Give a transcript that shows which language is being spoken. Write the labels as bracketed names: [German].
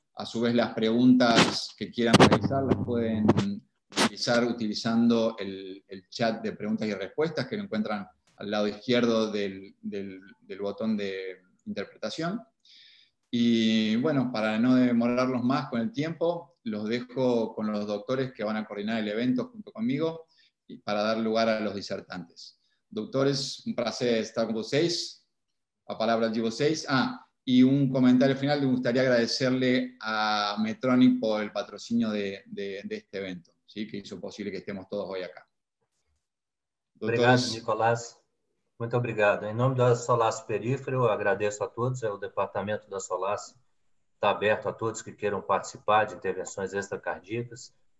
[Spanish] A su vez, las preguntas que quieran realizar las pueden realizar utilizando el chat de preguntas y respuestas que lo encuentran al lado izquierdo del botón de interpretación. Y bueno, para no demorarlos más con el tiempo, los dejo con los doctores que van a coordinar el evento junto conmigo y para dar lugar a los disertantes. Doctores, un placer estar con [Portuguese] vocês. A palabra de vocês. [Spanish] Y un comentario final, me gustaría agradecerle a Medtronic por el patrocinio de este evento, ¿sí? Que hizo posible que estemos todos hoy acá. Gracias, Nicolás. [Portuguese] Muito obrigado. [Spanish] En nombre de Solasi Perífero, agradezco a todos. El departamento de Solasi está abierto a todos que quieran participar de intervenciones extracardíacas.